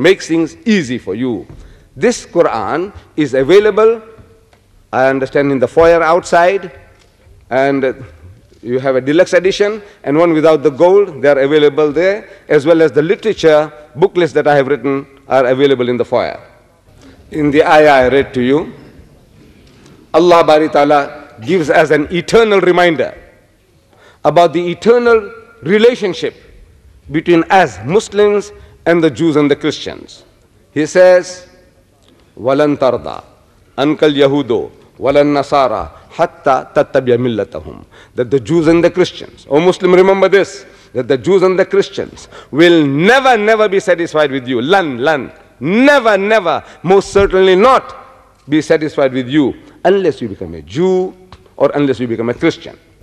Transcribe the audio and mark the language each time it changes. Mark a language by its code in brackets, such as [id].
[en] Makes things easy for you. This Quran is available, I understand, in the foyer outside, and you have a deluxe edition, and one without the gold, they are available there, as well as the literature booklets that I have written are available in the foyer. In the ayah I read to you, Allah Bari Ta'ala gives us an eternal reminder about the eternal relationship between us Muslims and the Jews and the Christians. He says, [ar] وَلَنْ تَرْضَىٰ أَنْكَ الْيَهُودُ وَلَنْ نَصَارَىٰ حَتَّىٰ تَتَّبِيَ مِلَّتَهُمْ. [en] That the Jews and the Christians, O Muslim, remember this, that the Jews and the Christians will never, never be satisfied with you. [ar] لَنْ [en] Never, never, most certainly not be satisfied with you, unless you become a Jew or unless you become a Christian.